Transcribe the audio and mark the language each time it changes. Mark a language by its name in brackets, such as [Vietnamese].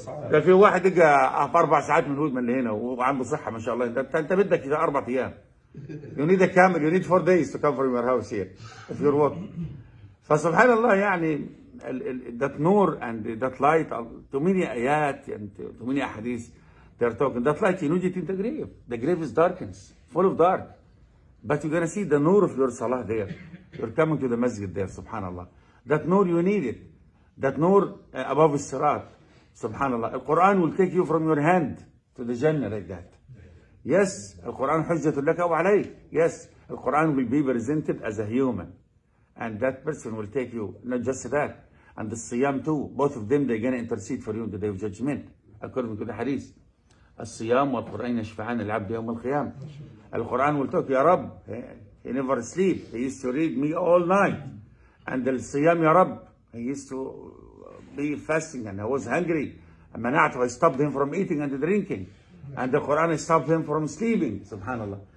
[Arabic] كان في واحد دقى 4 ساعات من هود من هنا وعنده صحة ما شاء الله. أنت بدك 4 أيام. [English] You need a camel, you need 4 days to come from your house here. If you're walking. [Arabic] فسبحان الله يعني [English] that نور and that light, too many آيات and too many أحاديث. They're talking that light, you need it in the grave. The grave is darkness, full of dark. But you're going to see the nur of your salah there. You're coming to the masjid there, subhanAllah. That nur, you need it. That nur above the sirat, subhanAllah. The Quran will take you from your hand to the Jannah like that. Yes, the Quran [Arabic] hujjatu laka wa alayk. [English] Yes, the Quran will be presented as a human. And that person will take you, not just that. And the siyam too, both of them, they're going to intercede for you on the day of judgment, according to the hadith. [Arabic] الصيام والقرآن يشفعان العبد يوم القيامة. [English] القرآن will talk [Arabic] يا رب [English] he never sleep he used to read me all night and the الصيام يا رب he used to be fasting and I was hungry and [Arabic] منعته [English] I stopped him from eating and drinking and the Quran I stopped him from sleeping [Arabic] سبحان الله.